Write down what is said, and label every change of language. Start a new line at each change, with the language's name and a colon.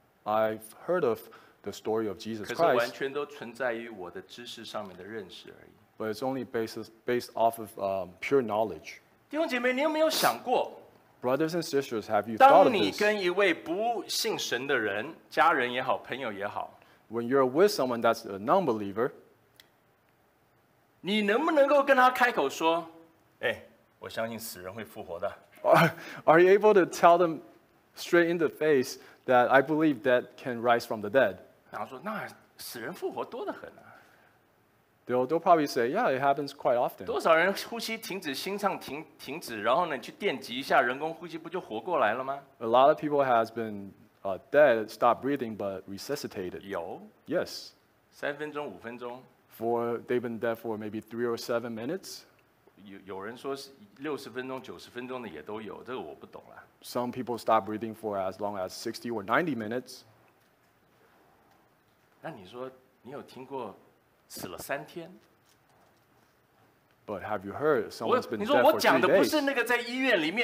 English: I've heard of the story of Jesus Christ.
Chinese: 可是完全都存在于我的知识上面的认识而已。
English: But it's only based off of pure knowledge.
Chinese: 弟兄姐妹,你有没有想过?
English: Brothers and sisters, have you thought of this?
Chinese: 当你跟一位不信神的人,家人也好,朋友也好,
English: When you're with someone that's a non-believer,
Chinese: 你能不能够跟他开口说, 哎,我相信死人会复活的。
English: Are you able to tell them straight in the face that I believe that can rise from the dead?
Chinese: 然后说,那死人复活多得很啊。
English: They'll probably say, yeah, it happens quite often.
Chinese: 多少人呼吸停止,心脏停止, 然后呢,去电击一下, 人工呼吸不就活过来了吗?
English: A lot of people has been dead, stopped breathing, but resuscitated.
Chinese: 有?
English: Yes.
Chinese: 3分钟,5分钟?
English: They've been dead for maybe 3 or 7 minutes.
Chinese: 有人说60分钟,90分钟的也都有, 这个我不懂了。
English: Some people stop breathing for as long as 60 or 90 minutes.
Chinese: 那你说,你有听过 死了三天?
English: But have you heard someone's been dead for 3 days?